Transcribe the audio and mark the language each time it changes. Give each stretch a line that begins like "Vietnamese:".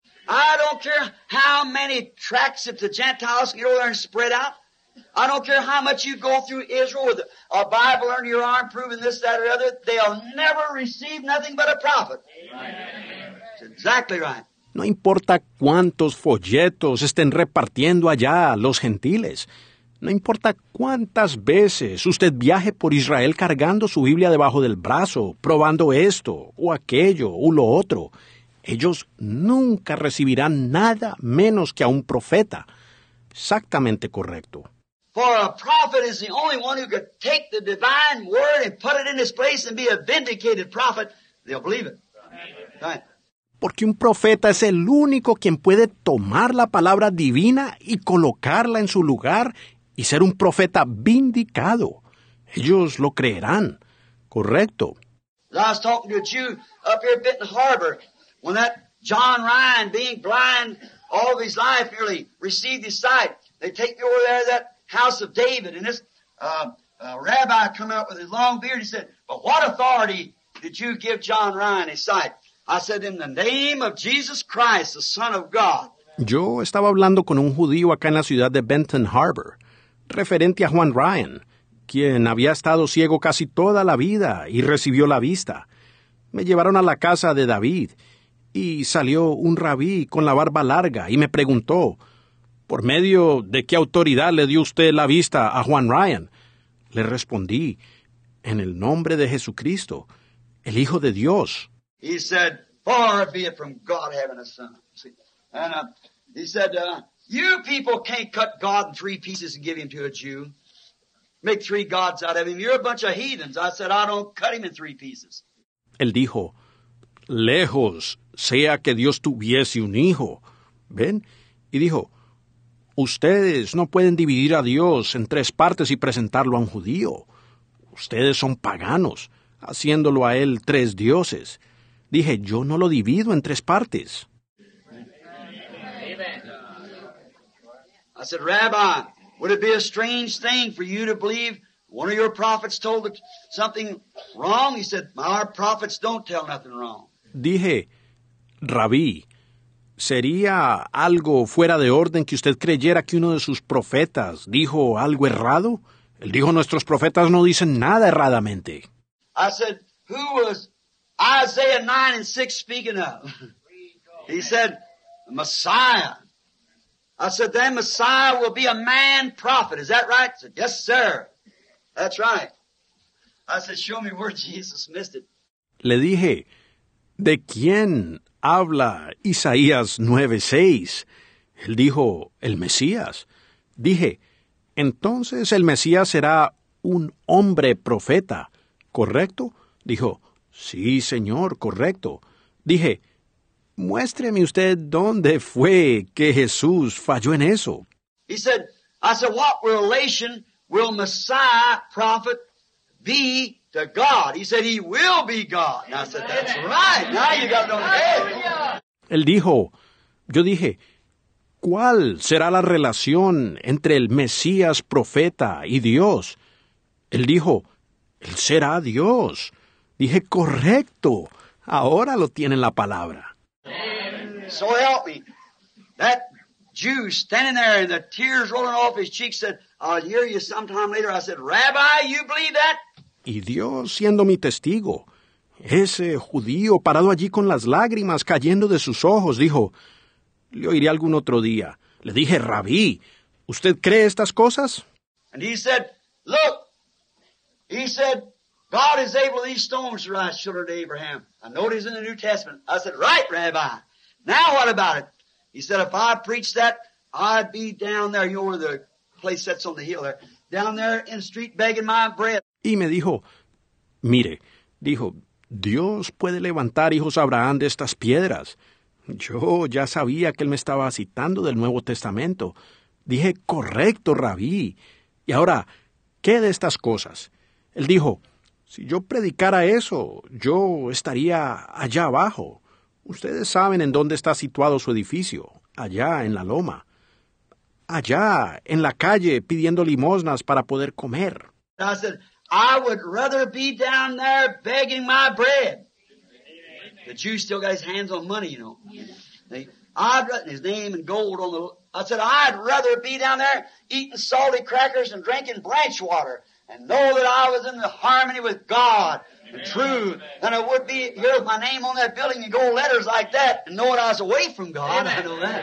English: I don't care how many tracts of the Gentiles get over there and spread out. I don't care how much you go through Israel with a Bible under your arm proving this, that, or the other. They'll never receive nothing but a prophet. Amen. That's exactly right.
Spanish: No importa cuántos folletos estén repartiendo allá los gentiles. No importa cuántas veces usted viaje por Israel cargando su Biblia debajo del brazo, probando esto o aquello o lo otro. Ellos nunca recibirán nada menos que a un profeta. Exactamente correcto.
English: For a prophet is the only one who could take the divine word and put it in its place and be a vindicated prophet. They'll believe it. Right.
Spanish: Porque un profeta es el único quien puede tomar la palabra divina y colocarla en su lugar y ser un profeta vindicado. Ellos lo creerán. Correcto.
English: I was talking to a Jew up here at Benton Harbor when that John Ryan, being blind all of his life, nearly received his sight. They take you over there to that house of David, and this rabbi come out with his long beard. He said, "But what authority did you give John Ryan his sight?" I said, "In the name of Jesus Christ, the Son of God."
Spanish: Yo estaba hablando con un judío acá en la ciudad de Benton Harbor, referente a Juan Ryan, quien había estado ciego casi toda la vida y recibió la vista. Me llevaron a la casa de David, y salió un rabí con la barba larga y me preguntó, ¿por medio de qué autoridad le dio usted la vista a Juan Ryan? Le respondí, en el nombre de Jesucristo, el Hijo de Dios.
English: He said, "Far be it from God having a son." See? And he said, "You people can't cut God in three pieces and give him to a Jew. Make three gods out of him. You're a bunch of heathens." I said, "I don't cut him in three pieces."
Spanish: Él dijo, "Lejos sea que Dios tuviese un hijo." ¿Ven? Y dijo, "Ustedes no pueden dividir a Dios en tres partes y presentarlo a un judío. Ustedes son paganos, haciéndolo a él tres dioses." Dije, yo no lo divido en tres partes.
English: I said, "Rabbi, would it be a strange thing for you to believe one of your prophets told something wrong?" He said, "Our prophets don't tell nothing wrong."
Spanish: Dije, "Rabí, ¿sería algo fuera de orden que usted creyera que uno de sus profetas dijo algo errado?" Él dijo, "Nuestros profetas no dicen nada erradamente."
English: I said, "Who was Isaiah 9 and 6 speaking of?" He said, "The Messiah." I said, "Then Messiah will be a man prophet. Is that right?" He said, "Yes, sir. That's right." I said, "Show me where Jesus missed it."
Spanish: Le dije, "¿De quién habla Isaías 9:6? Él dijo, "El Mesías." Dije, "Entonces el Mesías será un hombre profeta, ¿correcto?" Dijo, "Sí, señor, correcto." Dije, "Muéstreme usted dónde fue que Jesús falló en eso."
English: He said, I said, "What relation will Messiah prophet be to God?" He said, "He will be God." And I said, "That's right. Now you got no head."
Spanish: Él dijo, yo dije, "¿Cuál será la relación entre el Mesías profeta y Dios?" Él dijo, "Él será Dios." Dije, "Correcto. Ahora lo tienen la palabra."
English: So help me. That Jew standing there and the tears rolling off his cheeks said, "I'll hear you sometime later." I said, "Rabbi, you believe that?"
Spanish: Y Dios siendo mi testigo, ese judío parado allí con las lágrimas cayendo de sus ojos, dijo, "Le oiré algún otro día." Le dije, "Rabí, ¿usted cree estas cosas?"
English: And he said, "Look." He said, "God is able these stones to rise children to Abraham." I know it is in the New Testament. I said, "Right, Rabbi. Now what about it?" He said, "If I preach that, I'd be down there." You know where the place that's on the hill there? Down there in the street begging my bread.
Spanish: Y me dijo, "Mire," dijo, "Dios puede levantar hijos a Abraham de estas piedras." Yo ya sabía que él me estaba citando del Nuevo Testamento. Dije, "Correcto, Rabí. Y ahora, ¿qué de estas cosas?" Él dijo, "Si yo predicara eso, yo estaría allá abajo. Ustedes saben en dónde está situado su edificio, allá en la loma. Allá, en la calle, pidiendo limosnas para poder comer."
English: I said, I would rather be down there begging my bread. The Jew still got his hands on money, you know. I'd written his name in gold on the... I said, I'd rather be down there eating salty crackers and drinking branch water and know that I was in the harmony with God, the truth, than I would be here with my name on that building in gold letters like that and know that I was away from God. Amen. I know that.